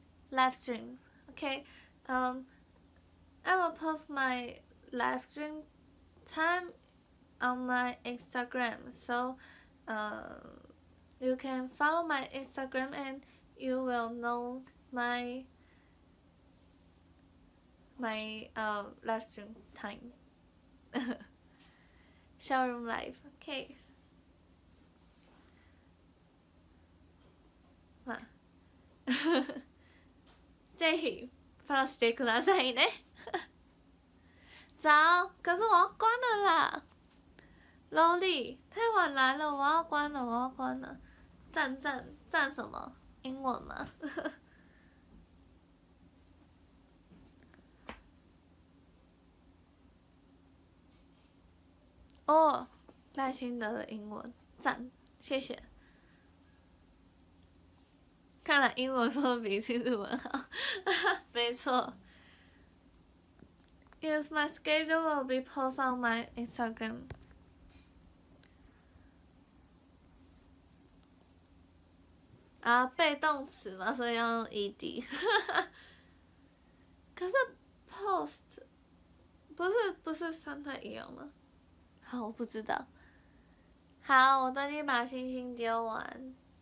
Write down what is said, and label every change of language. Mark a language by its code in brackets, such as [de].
[en] Live stream, okay. I will post my live stream time on my Instagram, so you can follow my Instagram and you will know my. My live stream time, showroom live. Okay. [ja] まあ、ぜひフォローしてくださいね。 [zh] 早，可是我要关了啦。萝莉，太晚来了，我要关了，我要关了。赞赞赞什么？英文吗？哦，赖清德的英文赞，谢谢。看来英文说的比起日文好，没错。 [en] Yes, my schedule will be posted on my Instagram. [zh] Ah, 被动词嘛，所以要用 ed。可是 post 不是三太一样吗？我不知道。好，我等你把星星丢完。